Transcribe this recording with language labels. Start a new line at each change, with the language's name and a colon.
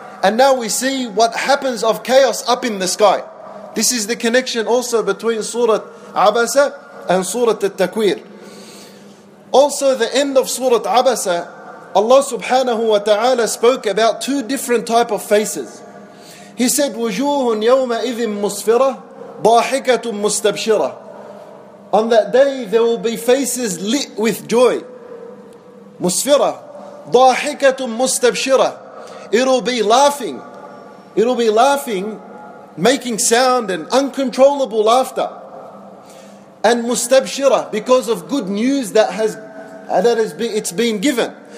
English: And now we see what happens of chaos up in the sky. This is the connection also between Surah Abasa and Surah At-Takwir. Also, the end of Surah Abasa, Allah subhanahu wa ta'ala spoke about two different type of faces. He said,
Arabic: وَجُوهٌ يَوْمَئِذٍ مُصْفِرَةٌ ضَاحِكَةٌ مُسْتَبْشِرَةٌ.
English: On that day, there will be faces lit with joy.
Arabic: مُصْفِرَةٌ ضَاحِكَةٌ مُسْتَبْشِرَةٌ.
English: It will be laughing, making sound and uncontrollable laughter. And مُسْتَبْشِرَةٌ, because of good news that has been given.